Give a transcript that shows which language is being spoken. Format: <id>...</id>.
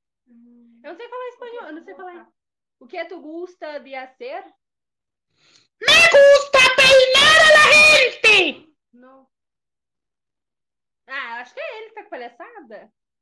<pt>Eu não sei falar espanhol, eu não sei falar. O que</pt> <es>tu gusta de hacer? Me gusta peinar a la gente!</es> <pt>Não. Ah, acho que é ele que tá com palhaçada.</pt>